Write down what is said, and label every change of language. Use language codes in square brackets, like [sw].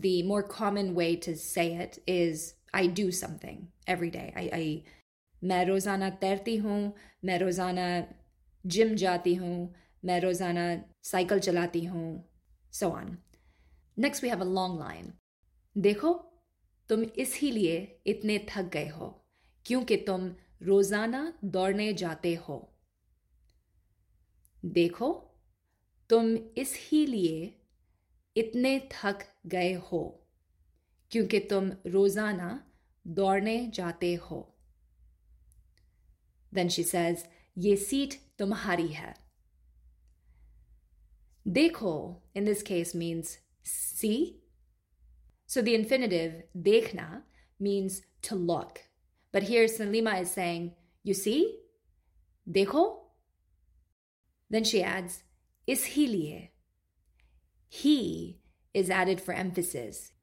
[en] The more common way to say it is I do something every day. [hi] मैं रोजाना तैरती हूँ, मैं रोजाना जिम जाती हूँ, मैं रोजाना साइकिल चलाती हूँ, [en] so on. Next, we have a long line. [hi] देखो, तुम इसीलिए इतने थक गए हो, क्योंकि तुम रोजाना दौड़ने जाते हो. देखो, तुम इसीलिए इतने थक गए हो, क्योंकि तुम रोजाना दौड़ने जाते हो. [en] Then she says, [hi] ये सीट तुम्हारी है. [en] देखो in this case means see. So the infinitive देखना means to look. But here Salima is saying, you see? [hi] देखो? [en] Then she adds, [hi] इसी लिए. [en] He is added for emphasis.